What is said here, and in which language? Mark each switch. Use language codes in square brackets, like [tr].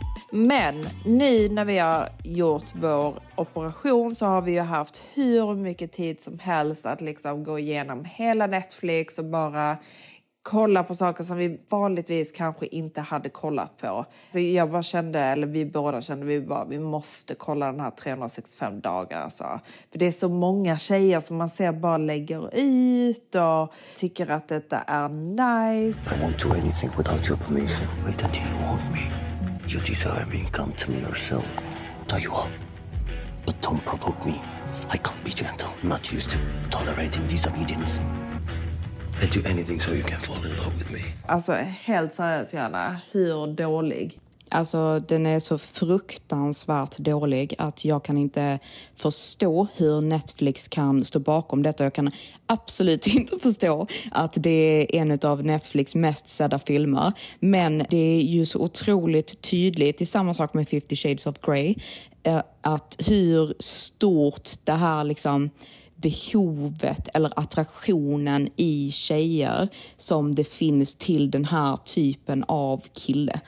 [sv] Men nu när vi har gjort vår operation så har vi ju haft hur mycket tid som helst att liksom gå igenom hela Netflix och bara kolla på saker som vi vanligtvis kanske inte hade kollat på. Så jag bara kände, eller vi båda kände, vi bara, vi måste kolla den här 365 dagar. Alltså. För det är så många tjejer som man ser bara lägger ut och tycker att detta är nice. [en] I won't do anything without your permission. Wait until you want me. You desire me, come to me yourself. Tell you what, but don't provoke me. I can't be gentle. I'm not used to tolerating disobedience. I'll do anything so you can fall in love with me. [sv] Alltså, helt seriöst, Jana. Hur dålig? Alltså, den är så fruktansvärt dålig att jag kan inte förstå hur Netflix kan stå bakom detta. Jag kan absolut inte förstå att det är en av Netflix mest sedda filmer. Men det är ju så otroligt tydligt, i samma sak med 50 Shades of Grey, att hur stort det här liksom behovet eller attraktionen i tjejer som det finns till den här typen av kille.